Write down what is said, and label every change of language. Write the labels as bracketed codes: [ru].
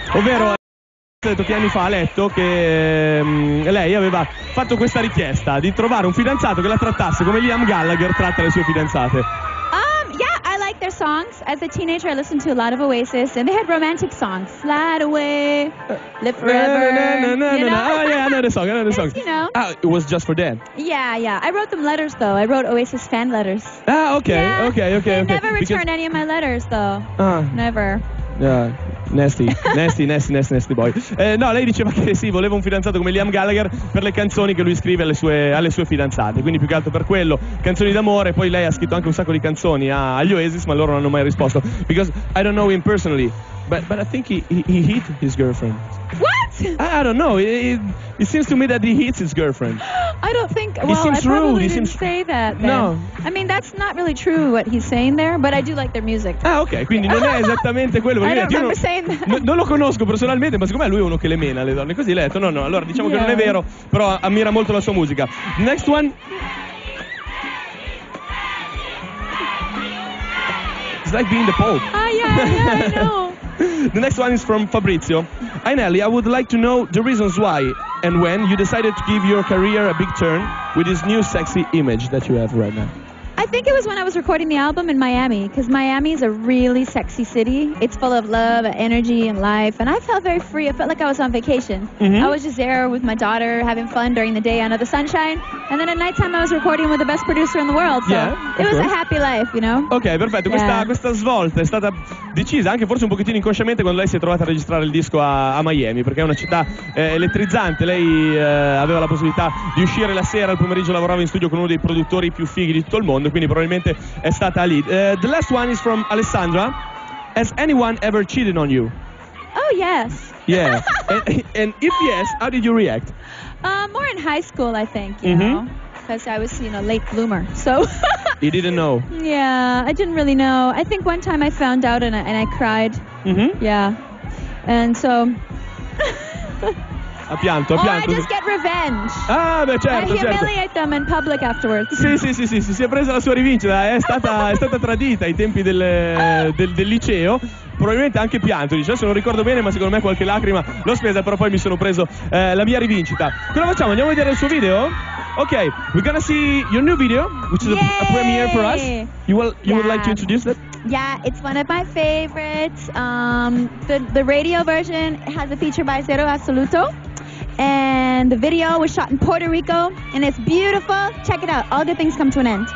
[it] Ovvero, ha detto che anni fa ha letto che lei aveva fatto questa richiesta di trovare un fidanzato che la trattasse come Liam Gallagher tratta le sue fidanzate. [en] Their songs. As a teenager, I listened to a lot of Oasis, and they had romantic songs. Slide Away, Live Forever. I know the song. You know. It was just for them. Yeah, yeah. I wrote them letters, though. I wrote Oasis fan letters. Okay. They never returned any of my letters, though. Never. Yeah. Nasty boy. [it] Lei diceva che sì, voleva un fidanzato come Liam Gallagher per le canzoni che lui scrive alle sue fidanzate. Quindi più che altro per quello, canzoni d'amore. Poi lei ha scritto anche un sacco di canzoni agli Oasis, ma loro non hanno mai risposto. [en] Because I don't know him personally, but I think he hit his girlfriend. What? I don't know. It seems to me that he hits his girlfriend. I don't think. Well, seems I probably rude. Didn't seems... say that. Then. No. I mean, that's not really true what he's saying there, but I do like their music. [it] Okay. Quindi non è esattamente quello. [en] I don't remember saying that. [it] Non lo conosco personalmente, ma siccome lui è uno che le mena le donne, così lei ha detto no. Allora diciamo yeah. che non è vero, però ammira molto la sua musica. [en] Next one. It's like being the Pope. Yeah, I know. The next one is from Fabrizio. Hi Nelly, I would like to know the reasons why and when you decided to give your career a big turn with this new sexy image that you have right now. I think it was when I was recording the album in Miami, because Miami is a really sexy city. It's full of love, energy, and life, and I felt very free. I felt like I was on vacation. Mm-hmm. I was just there with my daughter, having fun during the day under the sunshine, and then at nighttime I was recording with the best producer in the world, so yeah, it was course. A happy life, you know? [it] Ok, perfetto. Yeah. Questa svolta è stata decisa, anche forse un pochettino inconsciamente, quando lei si è trovata a registrare il disco a Miami, perché è una città elettrizzante. Lei aveva la possibilità di uscire la sera, al pomeriggio lavorava in studio con uno dei produttori più fighi di tutto il mondo, quindi probabilmente è stata lì. [en] The last one is from Alessandra. Has anyone ever cheated on you? Oh yes. Yeah. And if yes, how did you react? More in high school, I think, you mm-hmm. know, because I was, you know, late bloomer, so. You didn't know. Yeah, I didn't really know. I think one time I found out and I cried. Mm-hmm. Yeah. And so. [it] Ha pianto, ha pianto. [en] Or I just get revenge. [it] Ah, beh, certo. [en] I humiliate them in public afterwards. [it] Sì. Si è presa la sua rivincita. È stata tradita ai tempi del liceo. Probabilmente anche pianto, dice. Adesso non ricordo bene, ma secondo me qualche lacrima l'ho spesa. Però poi mi sono preso la mia rivincita. Cosa facciamo? Andiamo a vedere il suo video? [en] Ok, we're gonna see your new video, which is a premiere for us. You would like to introduce it? Yeah, it's one of my favorites. The radio version has a feature by Zero Absoluto. And the video was shot in Puerto Rico, and it's beautiful. Check it out. All good things come to an end.